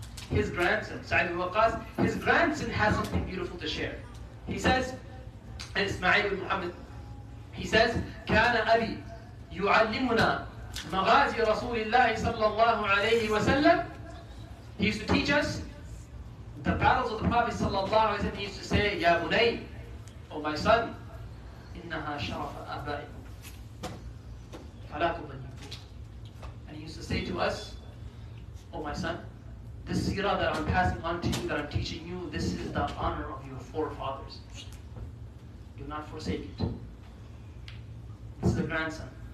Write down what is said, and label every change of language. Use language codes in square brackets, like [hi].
[en] His grandson, Sa'd ibn Waqqas, his grandson has something beautiful to share. He says, and Ismail ibn Muhammad, he says, [ar] كَانَ أَبِي يُعَلِّمُنَا مَغَازِ رَسُولِ اللَّهِ صَلَّى اللَّهُ عَلَيْهِ وَسَلَّمُ. [en] He used to teach us the battles of the Prophet صَلَّى اللَّهُ عَلَيْهِ وَسَلَّمُ. He used to say, [ar] يَا بُنَيْ, [en] O my son, [ar] إِنَّهَا شَرَفَ أَبَائِكُمْ فَلَا تُضَيِّقُوا. [en] And he used to say to us, O my son, this seerah that I'm passing on to you, that I'm teaching you, this is the honor of your forefathers. Do not forsake it. This is the grandson.